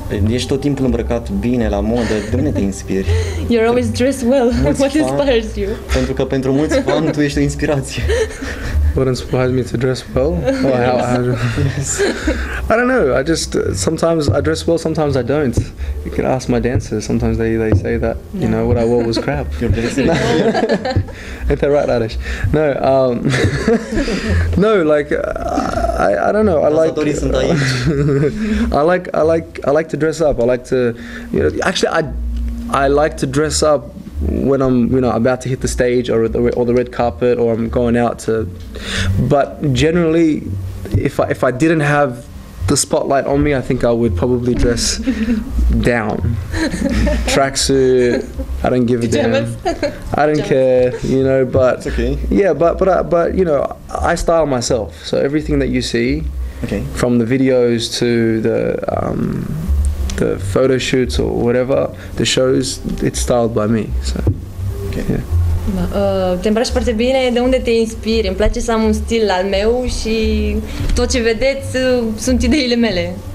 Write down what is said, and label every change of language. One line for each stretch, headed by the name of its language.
Romanian: Ești tot timpul îmbrăcat bine, la modă, de unde te inspiri?
English: You're always dressed well.
Romanian: Mulți
English: What inspires you?
Romanian: Pentru că pentru mulți fani tu ești o inspirație.
English: What inspires me to dress well? Yes. How, yes. I don't know. I just sometimes I dress well, sometimes I don't. You can ask my dancers. Sometimes they say that, yeah, you know, what I wore was crap. Your dancers. Ain't that right, Arish? No. no, like I don't know. I like to dress up. I like to, you know, actually I like to dress up when I'm, you know, about to hit the stage or the red carpet or I'm going out to, but generally if I didn't have the spotlight on me, I think I would probably dress down. Tracksuit, I don't give a damn. I don't care, you know, but it's okay. Yeah, but you know, I style myself. So everything that you see, okay, from the videos to the photo shoots or whatever, the shows, it's styled by me. So okay. Yeah.
Romanian: Te îmbraci foarte bine, de unde te inspiri? Îmi place să am un stil al meu și tot ce vedeți sunt ideile mele.